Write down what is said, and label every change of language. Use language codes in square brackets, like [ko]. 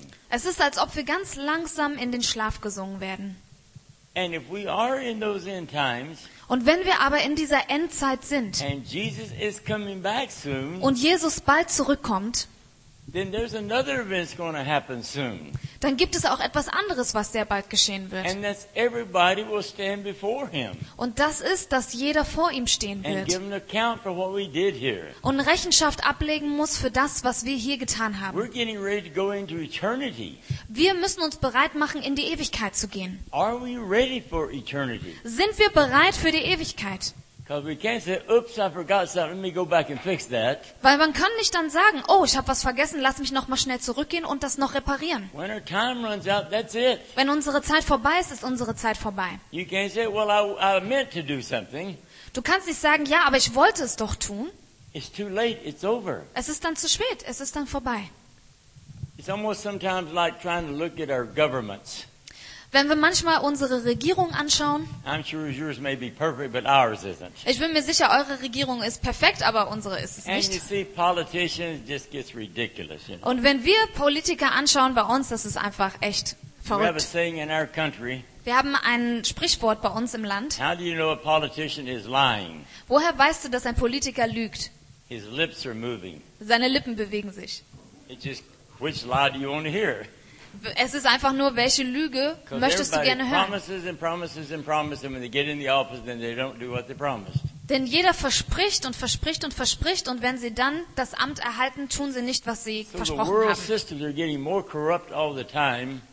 [de] Es ist, als ob wir ganz langsam in den Schlaf gesungen werden. [en] And if we are in those end times, [de] und wenn wir aber in dieser Endzeit sind [en] and Jesus is coming back soon, [de] und Jesus bald zurückkommt, [en] then there's another event's gonna happen soon. [de] Dann gibt es auch etwas anderes, was sehr bald geschehen wird. [en] And that's everybody will stand before him. [de] Und das ist, dass jeder vor ihm stehen wird [en] and give an account for what we did here. [de] Und Rechenschaft ablegen muss für das, was wir hier getan haben. [en] We're getting ready to go into eternity. [de] Wir müssen uns bereit machen, in die Ewigkeit zu gehen. [en] Are we ready for eternity? [de] Sind wir bereit für die Ewigkeit? Weil man kann nicht dann sagen, oh, ich habe was vergessen, lass mich noch mal schnell zurückgehen und das noch reparieren. [en] When our time runs out, that's it. [de] Wenn unsere Zeit vorbei ist, ist unsere Zeit vorbei. [en] You can't say, well, I meant to do something. [de] Du kannst nicht sagen, ja, aber ich wollte es doch tun. [en] It's too late. It's over. [de] Es ist dann zu spät, es ist dann vorbei. [en] It's almost sometimes like trying to look at our governments. [de] Wenn wir manchmal unsere Regierung anschauen, [en] I'm sure yours may be perfect, but ours isn't. [de] Ich bin mir sicher, eure Regierung ist perfekt, aber unsere ist es nicht. [en] And you see, politicians just gets ridiculous, you know? [de] Und wenn wir Politiker anschauen bei uns, das ist einfach echt verrückt. [en] We have a saying in our country, [de] wir haben ein Sprichwort bei uns im Land. [en] How do you know a politician is lying? [de] Woher weißt du, dass ein Politiker lügt? [en] His lips are moving. [de] Seine Lippen bewegen sich. [en] It's just, which lie do you want to hear? [de] Es ist einfach nur, welche Lüge möchtest du gerne hören? Denn jeder verspricht und verspricht und verspricht und wenn sie dann das Amt erhalten, tun sie nicht, was sie versprochen haben.